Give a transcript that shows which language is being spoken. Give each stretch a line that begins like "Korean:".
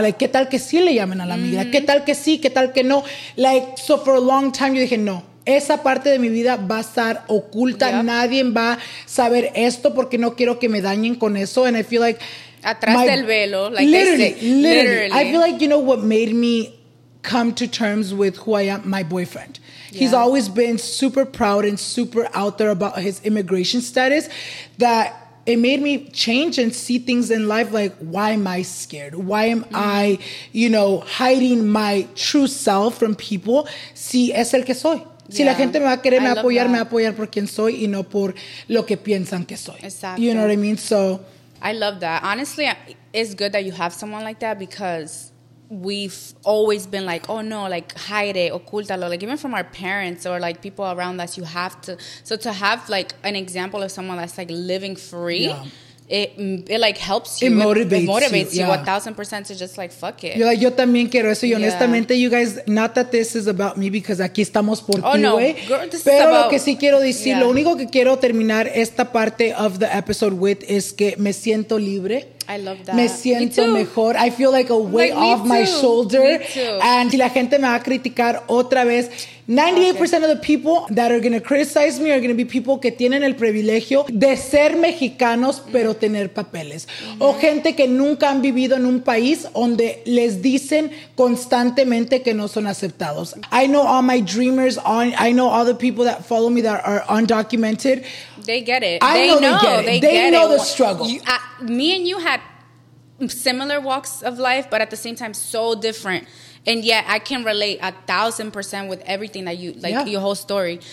Spanish: Like, ¿qué tal que sí le llamen a la migra? ¿Qué tal que sí? ¿Qué tal que no?
English: Like, so for a long time,
Spanish: yo dije, no. Esa parte de mi vida va a estar oculta. Yep. Nadie va a saber esto porque no quiero que me dañen con eso.
English: And I feel like...
Spanish: Atrás my, del velo,
English: like literally. I feel like, you know what made me come to terms with who I am? My boyfriend. Yeah. He's always been super proud and super out there about his immigration status, that it made me change and see things in life like, why am I scared? Why am I, you know, hiding my true self from people?
Spanish: Si es el que soy. Si la gente me va a querer me va a apoyar por quien soy y no por lo que piensan que soy.
English: Exactly. You know what I mean? So... I love that. Honestly, it's good that you have someone like that, because we've always been like, oh no, like hide it, ocultalo. Like even from our parents or like people around us, you have to. So to have like an example of someone that's like living free, it like helps you. It motivates you 1,000% to just like, fuck it. You're like,
Spanish: yo también quiero eso. Y honestamente,
English: you guys, not that this is about me, because
Spanish: aquí estamos por ti, güey. Pero
English: about,
Spanish: lo que sí quiero decir, lo único que quiero terminar esta parte
English: of the episode with
Spanish: es que me siento libre.
English: I love that.
Spanish: Me siento mejor.
English: I feel like a weight off my shoulder. Me too. And
Spanish: si la gente me va a criticar otra vez,
English: 98% of the people that are going to criticize me are going to be people
Spanish: que tienen el privilegio de ser mexicanos, pero tener papeles. O gente que nunca han vivido en un país donde les dicen constantemente que no son aceptados.
English: I know all my dreamers, I know all the people that follow me that are undocumented. They get it. They know the struggle. Me and you had similar walks of life, but at the same time, so different. And yet, I can relate 1,000% with everything that you, like, your whole story.